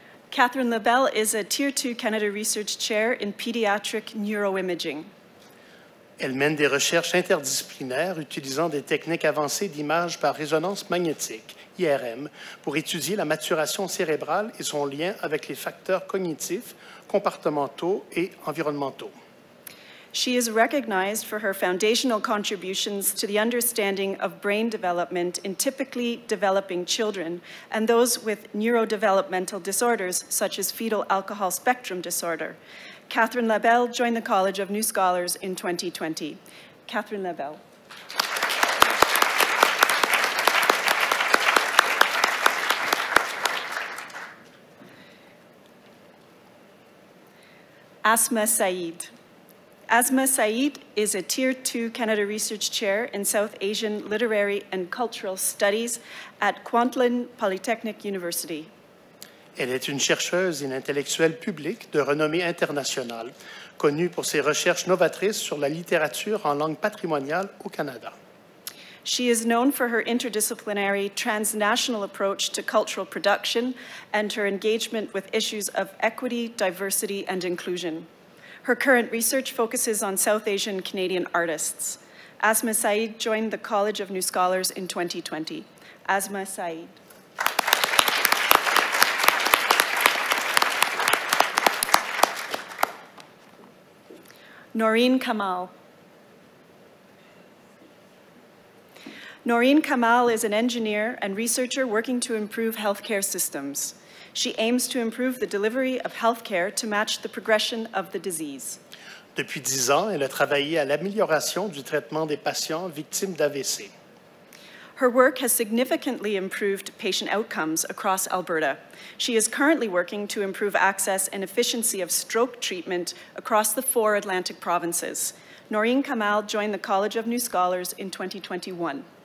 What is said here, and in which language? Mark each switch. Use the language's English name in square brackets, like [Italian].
[English] Catherine LaBelle is a Tier 2 Canada Research Chair in Pediatric Neuroimaging. [French] Elle mène des recherches interdisciplinaires utilisant des techniques avancées d'image par résonance magnétique, IRM, pour étudier la maturation cérébrale et son lien avec les facteurs cognitifs, comportementaux et environnementaux. [English] She is recognized for her foundational contributions to the understanding of brain development in typically developing children and those with neurodevelopmental disorders such as fetal alcohol spectrum disorder. Catherine LaBelle joined the College of New Scholars in 2020. Catherine LaBelle. Asma Saeed. Asma Saeed is a Tier 2 Canada Research Chair in South Asian Literary and Cultural Studies at Kwantlen Polytechnic University. [French] Elle est une chercheuse et une intellectuelle publique de renommée internationale, connue pour ses recherches novatrices sur la littérature en langue patrimoniale au Canada. [English] She is known for her interdisciplinary transnational approach to cultural production and her engagement with issues of equity, diversity and inclusion. Her current research focuses on South Asian Canadian artists. Asma Saeed joined the College of New Scholars in 2020. Asma Saeed. Noreen Kamal. Noreen Kamal is an engineer and researcher working to improve healthcare systems. She aims to improve the delivery of healthcare to match the progression of the disease. [French] Depuis 10 ans, elle a travaillé à l'amélioration du traitement des patients victimes d'AVC. [English] Her work has significantly improved patient outcomes across Alberta. She is currently working to improve access and efficiency of stroke treatment across the four Atlantic provinces. Noreen Kamal joined the College of New Scholars in 2021.